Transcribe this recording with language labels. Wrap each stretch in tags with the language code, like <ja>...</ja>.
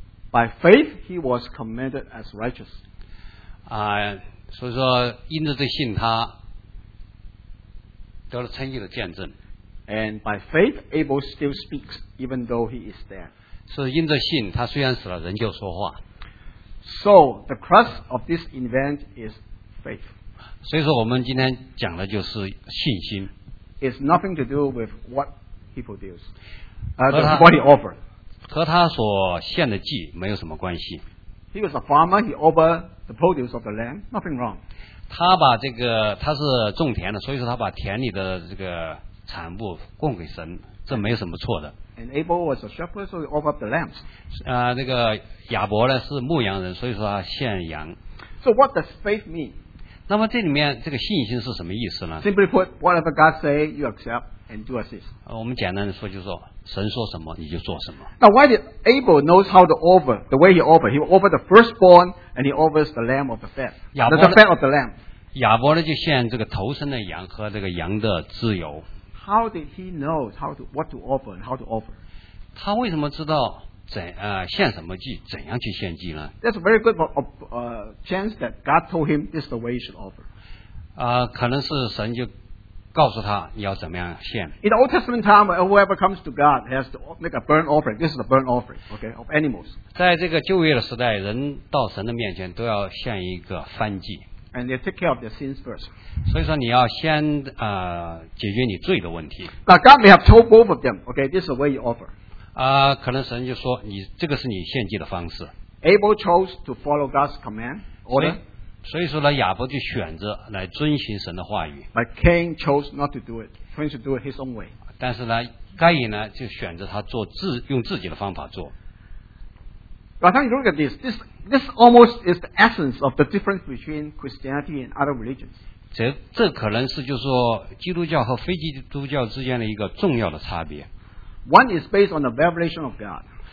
<en>By faith he was commended as righteous.</en> <zh>所以说因着这信他得了称义的见证。</zh> <en>And by faith Abel still speaks even though he is dead.</en> <zh>是因着信他虽然死了仍旧说话。</zh> <en>So the crux of this event is faith.</en> <zh>所以说我们今天讲的就是信心。</zh> <en>It's nothing to do with what he produces, what he offered.</en> <zh>和他所献的祭没有什么关系。</zh> <en>He was a farmer. He offered the produce of the land. Nothing wrong.</en> <zh>他把这个他是种田的，所以说他把田里的这个产部供给神，这没有什么错的。</zh> <en>And Abel was a shepherd, so he offered up the lambs.</en> <zh>这个亚伯呢是牧羊人，所以说他献羊。</zh> <en>So what does faith mean?</en> <zh>那么这里面这个信心是什么意思呢</zh> <en>？Simply put, whatever God say, you accept and do as is.</en> <zh>我们简单的说就是说，神说什么你就做什么。</zh> <en>Now why did Abel knows how to offer the way he offered? He offered the firstborn and he offers the lamb of the fat. The fat of the lamb.</en> <zh>亚伯呢就献这个头生的羊和这个羊的自由。</zh> <en>How did he know how to what to offer and how to offer?</en> <zh>他为什么知道怎献什么祭，怎样去献祭呢</zh> <en>？That's a very good chance that God told him this is the way he should offer.</en> <zh>可能是神就告诉他你要怎么样献。</zh> <en>In Old Testament time, whoever comes to God has to make a burnt offering. This is a burnt offering, okay, of animals.</en> <zh>在这个旧约的时代，人到神的面前都要献一个燔祭。</zh> <en>And they take care of their sins first.</en> <zh>所以说你要先解决你罪的问题。</zh> <en>But God may have told both of them, okay, this is the way you offer.</en> <zh>可能神就说你这个是你献祭的方式。</zh> <en>Abel chose to follow God's command order.</en> <zh>所以说呢，亚伯就选择来遵循神的话语。</zh> <en>But Cain chose not to do it. Chose to do it his own way.</en> <zh>但是呢，该隐呢就选择他做用自己的方法做。</zh> <en>But when you look at this, this almost is the essence of the difference between Christianity and other religions.</en> <zh>这可能是就是说基督教和非基督教之间的一个重要的差别。</zh> <en>One is based on the revelation of God.</en>